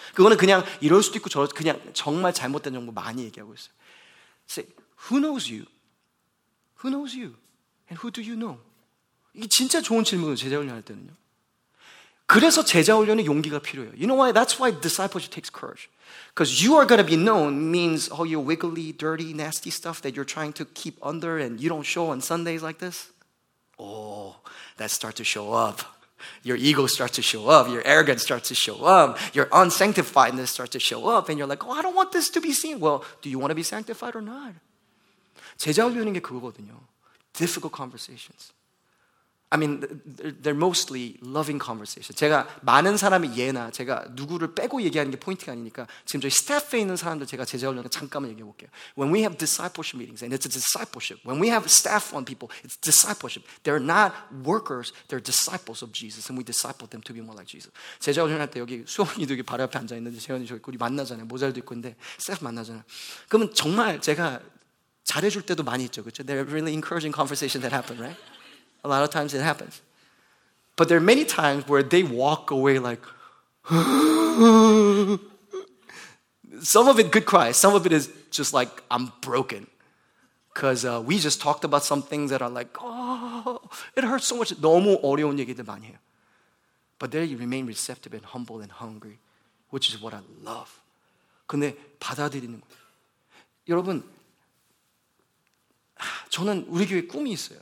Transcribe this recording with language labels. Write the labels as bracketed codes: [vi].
[ko] 그거는 그냥 이럴 수도 있고 저럴 그냥 정말 잘못된 정보 많이 얘기하고 있어요. [en] Say, who knows you? Who knows you? And who do you know? [ko] 이게 진짜 좋은 질문이에요, 제자훈련 할 때는요. 그래서 제자훈련에 용기가 필요해요. [en] You know why? That's why discipleship takes courage. Because you are going to be known means all your wiggly, dirty, nasty stuff that you're trying to keep under and you don't show on Sundays like this. Oh, that starts to show up. Your ego starts to show up. Your arrogance starts to show up. Your unsanctifiedness starts to show up. And you're like, oh, I don't want this to be seen. Well, do you want to be sanctified or not? [ko] 제자훈련인 게 그거거든요. [en] Difficult conversations. I mean, they're mostly loving conversations. [ko] 제가 많은 사람의 예나 제가 누구를 빼고 얘기하는 게 포인트가 아니니까 지금 저희 스태프에 있는 사람들 제가 제자훈련을 잠깐만 얘기해 볼게요. [en] When we have discipleship meetings, and it's a discipleship. When we have staff on people, it's discipleship. They're not workers, they're disciples of Jesus. And we disciple them to be more like Jesus. [ko] 제자훈련 할 때 여기 수원이도 여기 바로 앞에 앉아있는데 재현이 저기 우리 만나잖아요. 모자도 있고 근데 스태프 만나잖아요. 그러면 정말 제가 잘해줄 때도 많이 있죠, 그렇죠? [en] They're really encouraging conversations that happen, right? A lot of times it happens. But there are many times where they walk away like, some of it good cry. Some of it is just like, I'm broken. Because we just talked about some things that are like, oh, it hurts so much. [ko] 너무 어려운 얘기들 많이 해요. [en] But they remain receptive and humble and hungry, which is what I love. [ko] 근데 받아들이는 거예요. 여러분, 저는 우리 교회 꿈이 있어요.